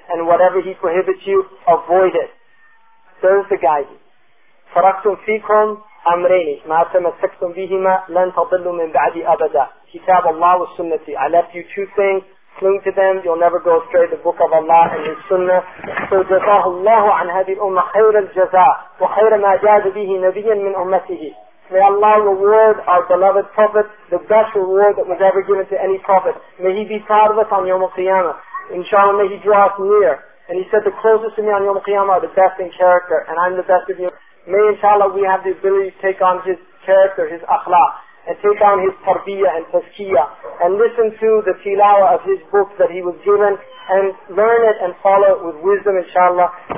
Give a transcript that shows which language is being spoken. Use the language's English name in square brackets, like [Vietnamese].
[English] And whatever he prohibits you, avoid it. There's the guidance. [Arabic] فَرَقْتُمْ فِيكُمْ أَمْرَيْنِ مَا تَمَسَّكْتُمْ بِهِمَا لَنْ تَضِلُّ مِنْ بَعْدِ أَبَدًا. Kitab Allah wa sunnati. [English] I left you two things. Cling to them. You'll never go astray. The book of Allah and His sunnah. [Arabic] So جزاه الله عن هذه الأمة خير الجزاء وخير ما جاز به نبيا من أمته. [English] May Allah reward our beloved Prophet, the best reward that was ever given to any Prophet. May he be proud of us on Yawm al-Qiyamah. Inshallah, may he draw us near. And he said, the closest to me on Yawm al-Qiyamah are the best in character, and I'm the best of you. May inshallah we have the ability to take on his character, his akhlaq, and take on his tarbiyah and tazkiyah, and listen to the tilawah of his book that he was given, and learn it and follow it with wisdom, inshallah.